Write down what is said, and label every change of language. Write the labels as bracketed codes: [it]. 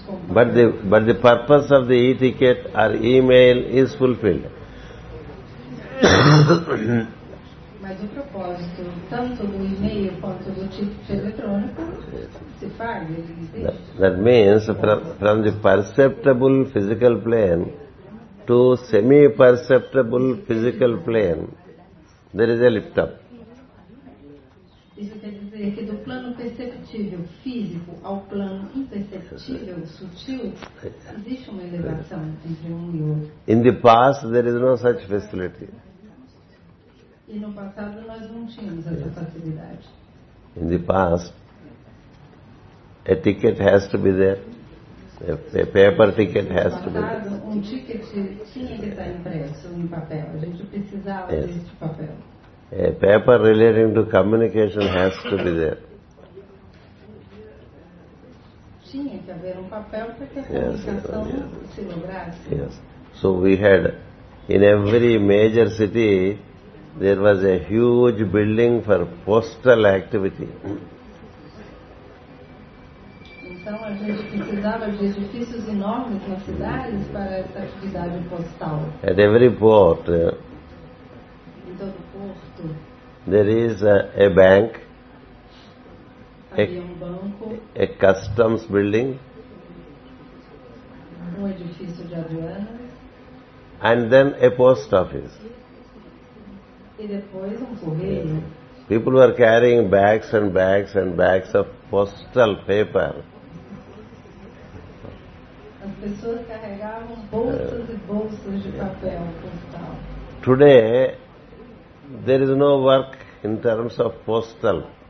[en] But the purpose of the e-ticket or email is fulfilled. [pt] Mas o propósito, tanto do e-mail quanto do ticket eletrônico, se faz, existe. [en] That means from the perceptible physical plane to semi-perceptible physical plane, there is a lift up. [pt] Isso quer dizer que do plano perceptível físico ao plano imperceptível, sutil, existe uma elevação entre um e outro. [en] In the past, there is no such facility. [pt] E no passado, nós não tínhamos essa facilidade. [en] In the past, a ticket has to be there. A paper ticket has to be there. [pt] Um ticket tinha que estar impresso em papel. A gente precisava deste papel. [en] A paper relating to communication has to be there. [pt] tinha que haver papel para que a comunicação se lograsse. [en] Yes. So we had in every major city there was a huge building for postal activity. [pt] Então a gente precisava de edifícios enormes nas cidades para essa atividade postal. [en] At every port. [pt] Em todo porto. [en] There is a bank. [pt] Um banco, [en] a customs building, [pt] edifício de aduanas, [en] and then a post office. [pt] E depois correio. [en] People were carrying bags and bags and bags of postal paper. [pt] As pessoas carregavam bolsas e bolsas de papel postal. [en] Today, there is no work in terms of postal.